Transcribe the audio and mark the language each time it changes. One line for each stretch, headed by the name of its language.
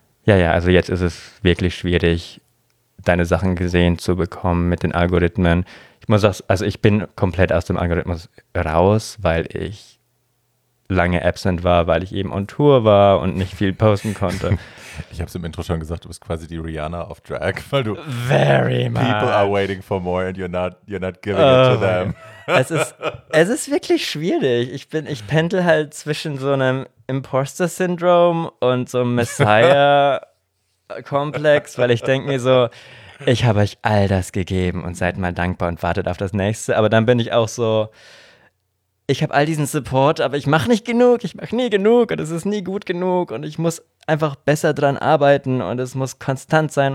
German: Ja, also jetzt ist es wirklich schwierig, deine Sachen gesehen zu bekommen mit den Algorithmen. Ich muss sagen, also ich bin komplett aus dem Algorithmus raus, weil ich lange absent war, weil ich eben on Tour war und nicht viel posten konnte. Ich habe es im Intro schon gesagt, du bist quasi die Rihanna auf Drag, weil du
English: very much. People are waiting for more and you're not giving it to them.
German: Es ist wirklich schwierig. Ich pendel halt zwischen so einem Imposter-Syndrom und so einem Messiah-Komplex, weil ich denke mir so, ich habe euch all das gegeben und seid mal dankbar und wartet auf das Nächste. Aber dann bin ich auch so, ich habe all diesen Support, aber ich mache nicht genug, ich mache nie genug und es ist nie gut genug und ich muss einfach besser dran arbeiten und es muss konstant sein.